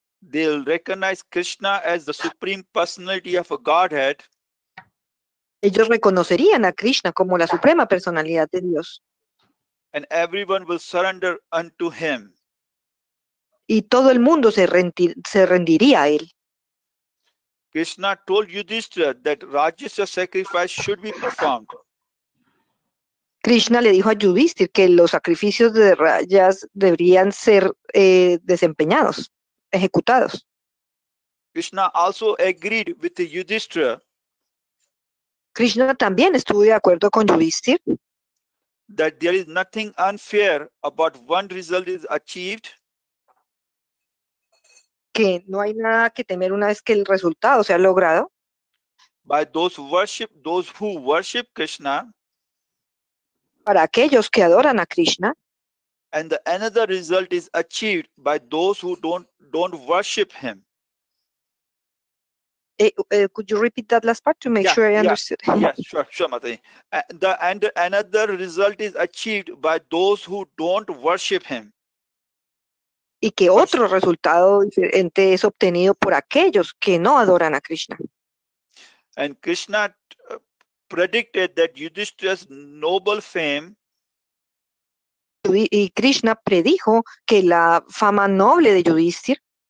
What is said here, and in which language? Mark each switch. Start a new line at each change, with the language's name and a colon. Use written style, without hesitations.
English: they'll recognize Krishna as the supreme personality of a Godhead.
Spanish: Ellos reconocerían a Krishna como la suprema personalidad de Dios.
English: And everyone will surrender unto him.
Spanish: Y todo el mundo se rendiría a él.
English: Krishna told Yudhishthira that Rajasya sacrifice should be performed.
Spanish: Krishna le dijo a Yudhishthira que los sacrificios de rayas deberían ser desempeñados, ejecutados.
English: Krishna also agreed with Yudhishthira.
Spanish: Krishna también estuvo de acuerdo con Yudhishthira.
English: That there is nothing unfair about one result is achieved.
Spanish: Que no hay nada que temer una vez que el resultado sea logrado.
English: By those who worship Krishna.
Spanish: Para aquellos que adoran a Krishna.
English: And the another result is achieved by those who don't worship him. Could you repeat that last part to make sure I understood? Yeah, sure, Mataji. And another result is achieved by those who don't worship him.
Spanish: Y que otro resultado diferente es obtenido por aquellos que no adoran a Krishna.
English: And Krishna predicted that Yudhishthira's noble fame.
Spanish: Y Krishna predijo que la fama noble de Yudhishthira